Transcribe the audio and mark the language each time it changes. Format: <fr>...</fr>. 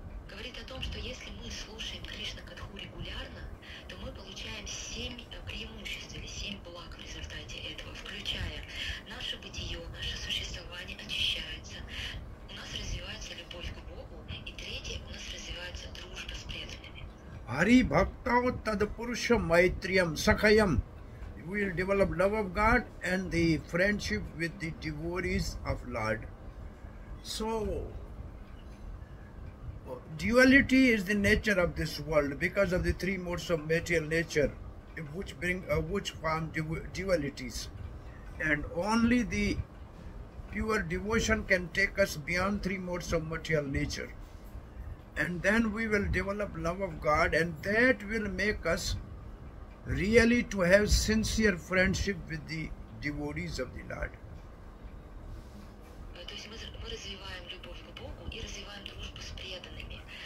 <ru>Говорит о том, что если мы слушаем Кришна Катху регулярно, то мы получаем 7 преимуществ или 7 благ в результате этого, включая наше бытие, наше существование очищается, у нас развивается любовь к Богу, и третье, у нас развивается дружба с преданными.</ru> <sa>Ари бхактау тад пурша майтриям сахаям.</sa> <en>We will develop love of God and the friendship with the devotees of Lord. So, duality is the nature of this world because of the 3 modes of material nature, which form dualities. And only the pure devotion can take us beyond 3 modes of material nature. And then we will develop love of God, and that will make us really to have sincere friendship with the devotees of the Lord.</en> <ru>То есть мы развиваем любовь к Богу и развиваем дружбу с преданными.</ru>